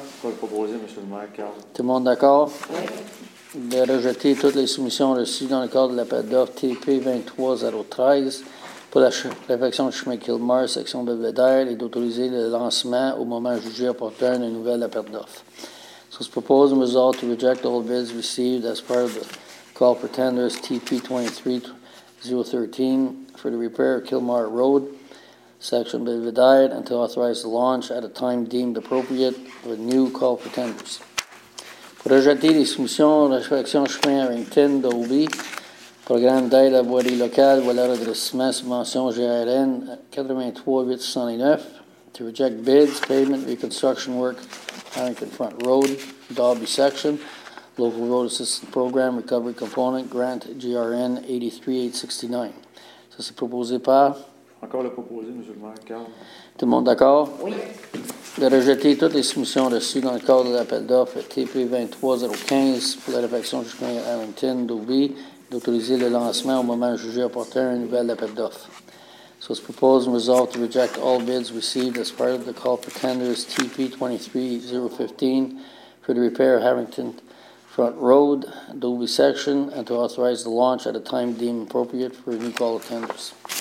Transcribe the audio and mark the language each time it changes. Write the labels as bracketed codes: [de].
[fr] Pas proposé, M. le maire. Tout le monde d'accord? Oui. De rejeter toutes les soumissions reçues dans le cadre de l'appel d'offres TP 23013 pour la réfection du chemin Kilmer, section Belvedere, et d'autoriser le lancement au moment jugé opportun d'un nouvel appel d'offres. [en] So it's proposed and resolved to reject all bids received as part of the call for tenders TP23013 for the repair of Kilmar Road, section Belvedere, and to authorize the launch at a time deemed appropriate of a new call for tenders. [fr] Pour rejeter les soumissions, réfection chemin Harrington d'Aubie, programme d'aide à voirie locale, voie redressement, subvention GRN 83869, [en] to reject bids, pavement, reconstruction work, Harrington Front Road, Dalby Section, Local Road Assistance Program, Recovery Component, Grant GRN 83869. [fr] Ça, c'est proposé par? Encore le proposé, M. le maire, Carl. Tout le monde d'accord? Oui. De rejeter toutes les soumissions reçues dans le cadre de l'appel d'offres TP 23015 pour la réfection du chemin Harrington d'Aubie, d'autoriser le lancement au moment jugé opportun un nouvel appel d'offres. [en] So it's proposed and resolved to reject all bids received as part of the call for tenders TP23015 for the repair of Harrington Front Road, Dolby Section, and to authorize the launch at a time deemed appropriate for a new call of tenders.